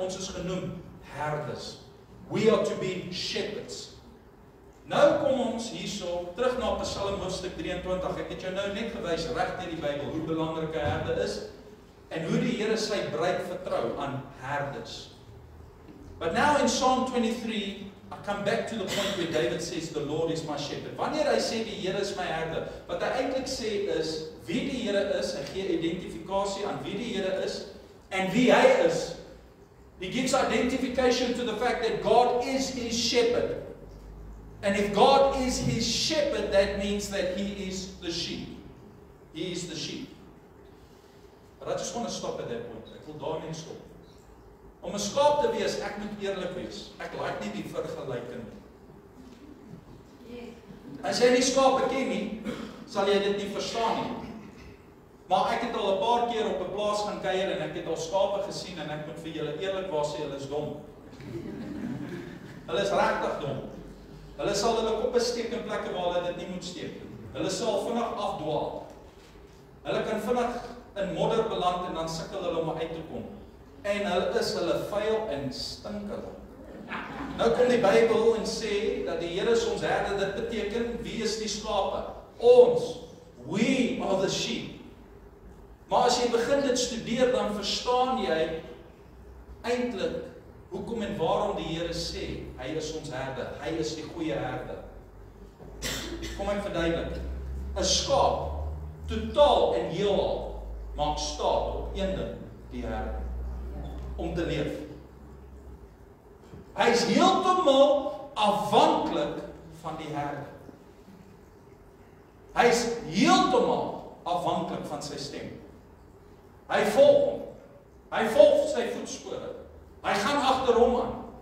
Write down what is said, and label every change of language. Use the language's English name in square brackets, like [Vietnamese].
[Afrikaans] Ons is genoem herders. [English] We are to be shepherds. [Afrikaans] Nou kom ons hierso terug na Psalm hoofstuk 23. Ek het jou nou net gewys reg deur die Bybel hoe belangrik 'n herde is en hoe die Here sy bruid vertrou aan herders. [English] But now in Psalm 23, I come back to the point where David says the Lord is my shepherd. [Afrikaans] Wanneer hy sê die Here is my herder, wat hy eintlik sê is wie die Here is, hy gee identifikasie aan wie die Here is en wie hy is. [English] He gives identification to the fact that God is his shepherd. And if God is his shepherd, that means that he is the sheep. He is the sheep. But I just want to stop at that point. [Afrikaans] Ek wil daar net stop. Om 'n skaap te wees, ek moet eerlik wees. Ek like nie die vergelyking nie. As jy nie skape ken nie, sal jy dit nie verstaan nie. Maar ek het al 'n paar keer op 'n plaas gaan kuier en ek het al skape gesien en ek moet vir julle eerlik waar sê, hulle is dom. Hulle is regtig dom. Hulle sal hulle koppe steek in plekke waar hulle dit nie moet steek. Hulle sal vinnig afdwaal. Hulle kan vinnig in modder beland en dan sukkel hulle om uit te kom. En hulle is hulle vuil en stink hulle. Nou kom die Bybel en sê dat die Here is ons herder. Dit beteken, wie is die skape? Ons. [English] We are the sheep. [Afrikaans] Maar as jy begin dit studeer, dan verstaan jy eintlik hoekom en waarom die Here sê, hy is ons herde, hy is die goeie herde. Kom ek verduidelik. 'N Skaap totaal en heelal maak staat op een ding, die Here, om te leef. Hy is heeltemal afhanklik van die Here. Hy is heeltemal afhanklik van sy stem. Hy volg hom. Hy volg sy voetspore. Hy gaan agter hom aan.